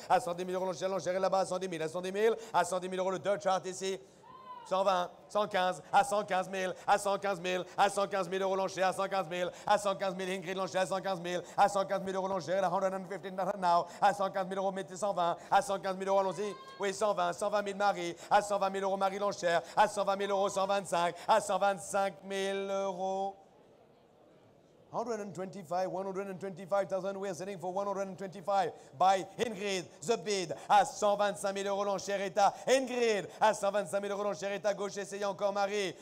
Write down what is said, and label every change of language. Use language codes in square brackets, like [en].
[fr] À 110 000 euros l'enchère est là-bas à 110 000. À 110 000, à 110 000 euros le Dutch Art ici, 120, 115, à 115 000, à 115 000, à 115 000 euros l'enchère, à 115 000, à 115 000, Ingrid l'enchère, à 115 000, à 115 000 euros l'enchère, à 115 000 euros now, à 115 000 euros mettez 120, à 115 000 euros allons-y, oui 120, 120 000 Marie, à 120 000 euros Marie l'enchère, à 120 000 euros 125, à 125 000 euros. [en] 125,000, we are selling for 125 by Ingrid, the bid. [fr] À 125 000 euros, l'enchère est à Ingrid. À 125 000 euros, l'enchère est à gauche, essayez encore Marie.